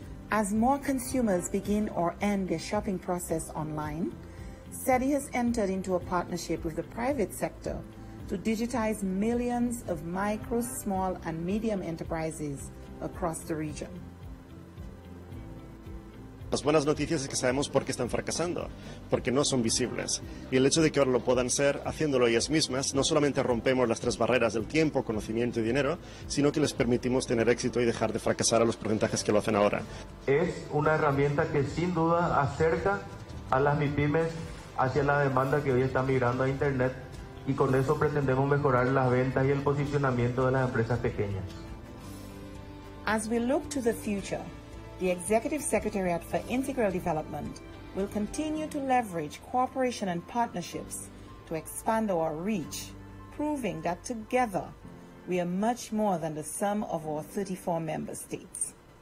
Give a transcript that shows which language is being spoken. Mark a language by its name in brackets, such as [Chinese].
[English] As more consumers begin or end their shopping process online, CEDI has entered into a partnership with the private sector to digitize millions of micro, small, and medium enterprises across the region. [Spanish] Las buenas noticias es que sabemos por qué están fracasando, porque no son visibles. Y el hecho de que ahora lo puedan ser, haciéndolo ellas mismas, no solamente rompemos las tres barreras del tiempo, conocimiento y dinero, sino que les permitimos tener éxito y dejar de fracasar a los porcentajes que lo hacen ahora. Es una herramienta que sin duda acerca a las MIPYMES hacia la demanda que hoy está migrando a Internet, y con eso pretendemos mejorar las ventas y el posicionamiento de las empresas pequeñas. [English] As we look to the future, the Executive Secretariat for Integral Development will continue to leverage cooperation and partnerships to expand our reach, proving that together we are much more than the sum of our 34 member states.